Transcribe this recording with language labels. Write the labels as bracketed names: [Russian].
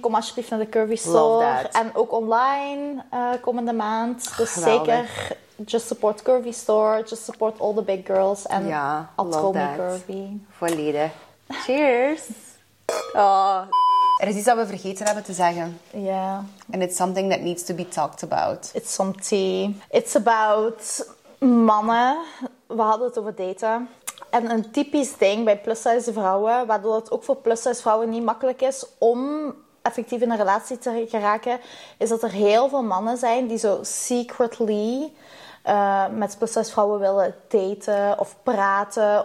[Dutch] Kom alsjeblieft naar de curvy store. [English] Love that. [Dutch] En ook online komende maand. Dus geweldig. [English] Zeker, just support curvy store. Just support all the big girls. And [Dutch] ja, Atomic Curvy. Volledig. Cheers. Oh. Er is iets dat we vergeten hebben te zeggen. Ja. [English] And it's something that needs to be talked about. It's some tea. It's about mannen. [Dutch] We hadden het over daten. En een typisch ding bij plus-size vrouwen, waardoor het ook voor plus-size vrouwen niet makkelijk is om effectief in een relatie te geraken, is dat er heel veel mannen zijn die zo secretly met plus-size vrouwen willen daten of praten.